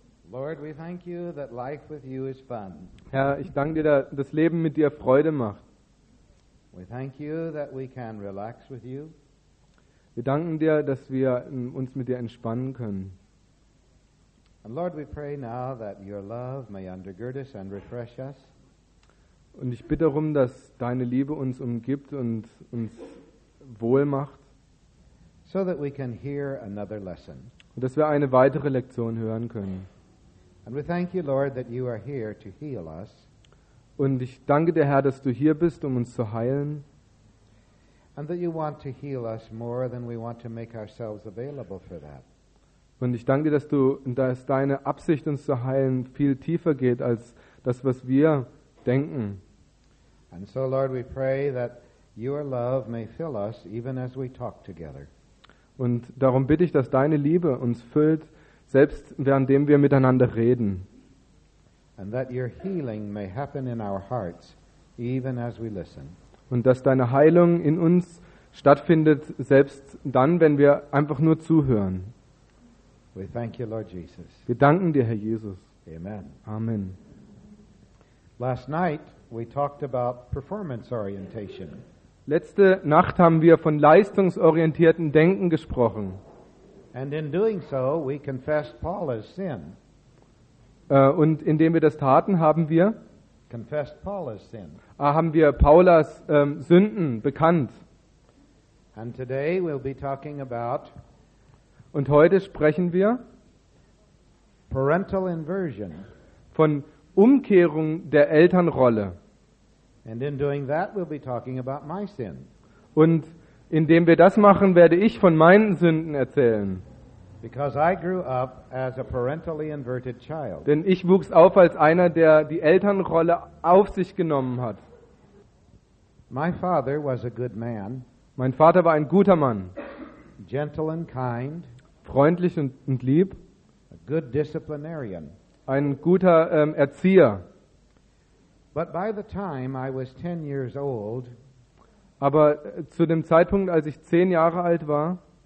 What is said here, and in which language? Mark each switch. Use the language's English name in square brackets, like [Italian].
[English] Lord, we thank you that life with you is fun. [German] Herr, ich danke dir, dass das Leben mit dir Freude macht. [English] We thank you that we can relax with you. [German] Wir danken dir, dass wir uns mit dir entspannen können. [English] And Lord, we pray now that your love may undergird us and refresh us. [German] Und ich bitte darum, dass deine Liebe uns umgibt und uns wohl macht. [English] So that we can hear another lesson. [German] Und dass wir eine weitere Lektion hören können. [English] And we thank you, Lord, that you are here to heal us. [German] Und ich danke dir, Herr, dass du hier bist, um uns zu heilen. [English] And that you want to heal us more than we want to make ourselves available for that. [German] Und ich danke dir, dass deine Absicht, uns zu heilen, viel tiefer geht als das, was wir denken. [English] And so, Lord, we pray that your love may fill us even as we talk together. [German] Und darum bitte ich, dass deine Liebe uns füllt, selbst währenddem wir miteinander reden. [English] And that your healing may happen in our hearts even as we listen. [German] Und dass deine Heilung in uns stattfindet, selbst dann, wenn wir einfach nur zuhören. [English] We thank you, Lord Jesus. [German] Wir danken dir, Herr Jesus. [English] Amen. [German] Amen. [English] Last night we talked about performance orientation. [German] Letzte Nacht haben wir von leistungsorientiertem Denken gesprochen. [English] And in doing so, we confessed Paul's sin. [German] Und indem wir das taten, haben wir Paulas Sünden bekannt. [English] And today we'll be talking about. [German] Und heute sprechen wir [English] parental inversion. [German] Von Umkehrung der Elternrolle. [English] And in doing that, we'll be talking about my sin. [German] Und indem wir das machen, werde ich von meinen Sünden erzählen. [English] Because I grew up as a parentally inverted child. [German] Denn ich wuchs auf als einer, der die Elternrolle auf sich genommen hat. [English] My father was a good man. [German] Mein Vater war ein guter Mann. [English] Gentle and kind. [German] Freundlich und lieb. [English] A good disciplinarian. [German] Ein guter Erzieher. [English] But by the time I was 10 years old, [German] aber zu dem Zeitpunkt, als ich 10 Jahre alt war,